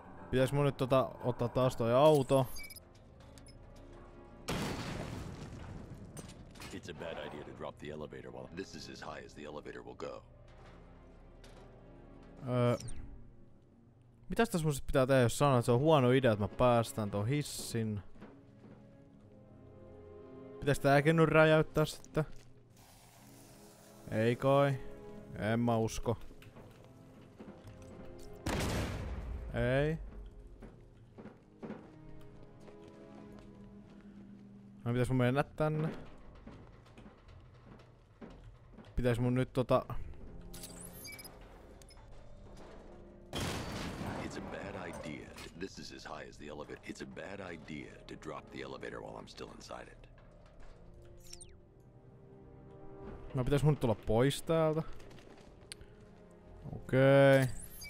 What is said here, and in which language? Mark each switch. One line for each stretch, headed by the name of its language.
Finnish: Pitäis mun nyt ottaa taas toi auto.
English: It's a bad idea to drop the elevator while this is as high as the elevator will go.
Finnish: Mitäs tässä mun sit pitää tehdä, jos sanon, että se on huono idea, että mä päästän ton hissin? Pitäis tääkin nyt räjäyttää sitten? Ei kai. En mä usko. Ei. No pitäis mun mennä tänne. Pitäis mun nyt
English: It's a bad idea. This is as high as the elevator. It's a bad idea to drop the elevator while I'm still inside it.
Finnish: Mä pitäis mun tulla pois täältä. Okei.